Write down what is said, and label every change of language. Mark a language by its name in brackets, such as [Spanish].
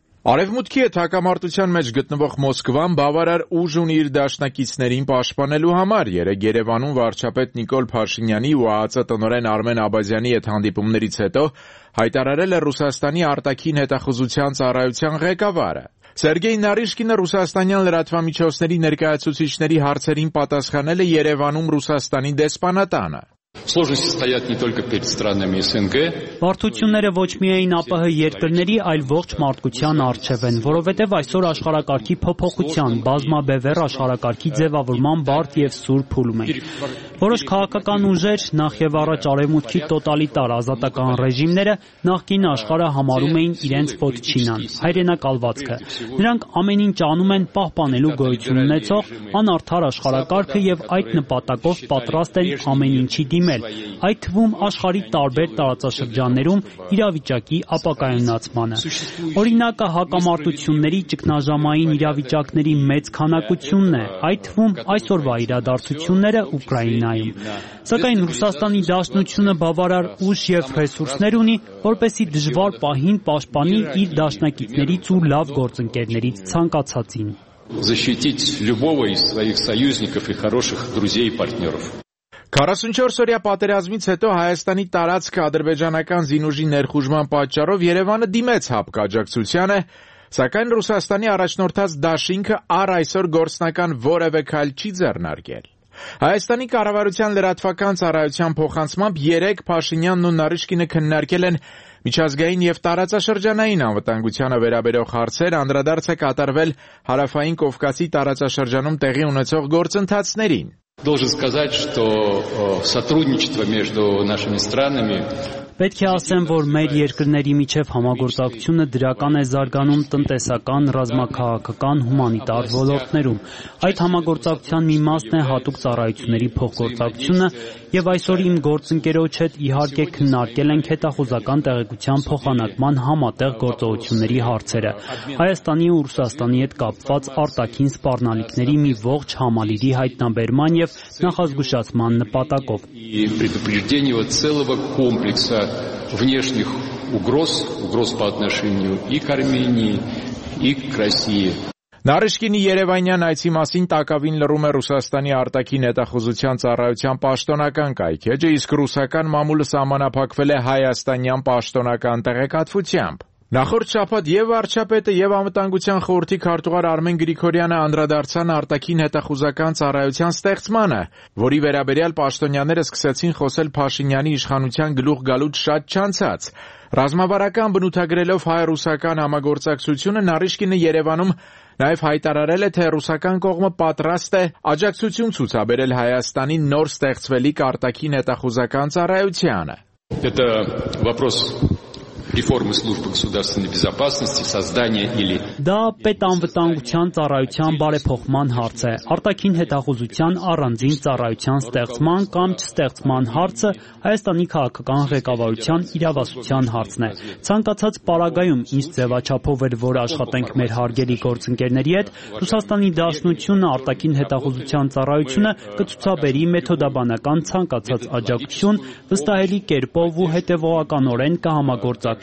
[Armenian] Արևմուտքի հակամարտության մեջ գտնվող Մոսկվան բավարար ուժ ունի իր դաշնակիցներին պաշտպանելու համար։ Երեկ Երևանում վարչապետ Նիկոլ Փաշինյանի ու ԱԱՀ տնօրեն Արմեն Աբազյանի հետ հանդիպումներից հետո հայտարարել է Ռուսաստանի արտաքին հետախուզության ծառայության ղեկավարը։ Սերգեյ Նարիշկինը ռուսաստանյան լրատվամիջոցների ներկայացուցիչների հարցերին պատասխանել է Երևանում Ռուսաստանի դեսպանատանը։ [Russian] Сложности стоят не только перед странами СНГ. [Armenian] Պարտությունները ոչ միայն ԱՊՀ երկրների, այլ ողջ մարդկության առջև են, որովհետև այսօր աշխարհակարգի փոփոխության, բազմաբևեռ աշխարհակարգի ձևավորման բարդ և սուր փուլում են։ Որոշ քաղաքական ուժեր, նախ եւ առաջ արևմուտքի տոտալիտար ազատական ռեժիմները, նախկին աշխարհը համարում էին իրենց ոտքինան, հայրենակալվածքը։ Նրանք ամեն ինչ անում են պահպանելու գոյություն ունեցող անարդար աշխարհակարգը եւ այդ նպատակով պատրաստ են ամեն ինչ դիմել, այդ թվում աշխարհի տարբեր տարածաշրջաններում իրավիճակի ապակայունացմանը։ Օրինակ հակամարտությունների ճգնաժամային իրավիճակների մեծ քանակությունն է, այդ թվում այսօրվա իրադարձությունները Ուկրաինայում։ Սակայն Ռուսաստանի դաշնությունը բավարար ուժ և ռեսուրսներ ունի, որպեսզի դժվար պահին պաշտպանի իր դաշնակիցներից ու լավ գործընկերներից ցանկացածին։ [Russian] Защитить любого из своих союзников и хороших друзей и партнёров. [Armenian] 44-օրյա պատերազմից հետո Հայաստանի տարածքը ադրբեջանական զինուժի ներխուժման պատճառով Երևանը դիմեց հապկաջակցությանը, սակայն Ռուսաստանի առաջնորդած դաշինքը առ այսօր գործնական որևէ քայլ չի ձեռնարկել։ Հայաստանի կառավարության լրատվական ծառայության փոխանցմամբ երեք Փաշինյանն ու Նարիշկինը քննարկել են միջազգային և տարածաշրջանային անվտանգությանը վերաբերող հարցեր, անդրադարձ է կատարվել հարավային Կովկասի տարածաշրջանում տեղի ունեցող գործընթացներին։ [Russian] Должен сказать, что сотрудничество между нашими странами. [Armenian] Պետք է ասեմ, որ մեր երկրների միջև համագործակցությունը դրական է զարգանում տնտեսական, ռազմաքաղաքական, հումանիտար ոլորտներում։ Այդ համագործակցության մի մասն է հատուկ ծառայությունների փոխգործակցությունը, եւ այսօր իմ գործընկերոջ հետ իհարկե քննարկել ենք հետախուզական տեղեկության փոխանակման համատեղ գործողությունների հարցերը։ Հայաստանի ու Ռուսաստանի հետ կապված արտաքին սպառնալիքների մի ողջ համալիրի հայտնաբերման եւ նախազգուշացման նպատակով։ [Russian] Внешних угроз, угроз по отношению и к Армении, и к России. [Armenian] Նարիշկինի Երևանյան այցի մասին տակավին լրում է Ռուսաստանի արտաքին հետախուզության ծառայության պաշտոնական կայքը, իսկ ռուսական մամուլը սահմանափակվել է հայաստանյան պաշտոնական տեղեկատվությամբ։ Նախորդ շաբաթ և վարչապետը և անվտանգության խորհրդի քարտուղար Արմեն Գրիգորյանը անդրադարձան արտաքին հետախուզական ծառայության ստեղծմանը, որի վերաբերյալ պաշտոնյաները սկսեցին խոսել Փաշինյանի իշխանության գլուխ գալուց շատ չանցած։ Ռազմավարական բնութագրելով հայ-ռուսական համագործակցությունը, Նարիշկինը Երևանում նաև հայտարարել է, թե ռուսական կողմը պատրաստ է աջակցություն ցուցաբերել Հայաստանի նոր ստեղծվելիք արտաքին հետախուզական ծառայությանը։ [Russian] Реформы службы государственной безопасности, создание или [Armenian] Да, պետանվտանգության ծառայության բարեփոխման հարց է։ Արտաքին հետախուզության առանձին ծառայության ստեղծման կամ չստեղծման հարցը Հայաստանի քաղաքական ղեկավարության իրավասության հարցն է։ Ցանկացած պարագայում ինչ ձևաչափով էլ որ աշխատենք մեր հարգելի գործընկերների հետ, Ռուսաստանի դաշնությունը արտաքին հետախուզության ծառայությունը կցուցաբերի մեթոդաբանական ցանկացած աջակցություն վստահելի կերպով ու հետևողականորեն կհամագործակցի